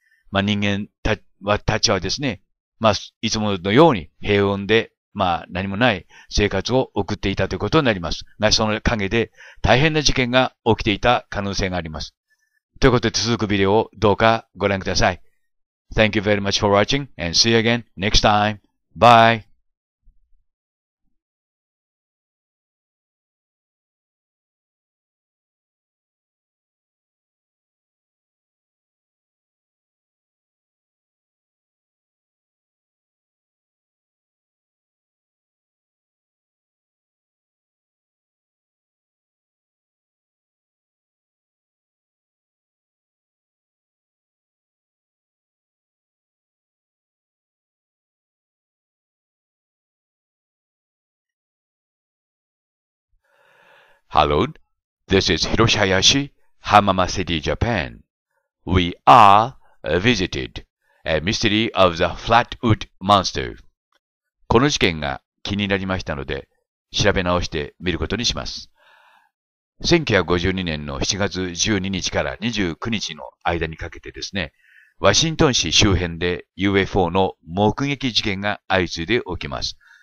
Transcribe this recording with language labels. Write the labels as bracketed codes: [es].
[ja] まあ人間たちはですね、まあいつものように平穏で、まあ何もない生活を送っていたということになります。がその陰で大変な事件が起きていた可能性があります。ということで続くビデオをどうかご覧ください。 [en] Thank you very much for watching and see you again next time. Bye! Hello, this is Hiroshihayashi, Hamama City, Japan. We are visited a mystery of the Flatwood Monster. [ja] この事件が気になりましたので、調べ直してみることにします。 1952年の7月12日から29日の間にかけてですね、ワシントン市周辺で UFO の目撃事件が相次いで起きます。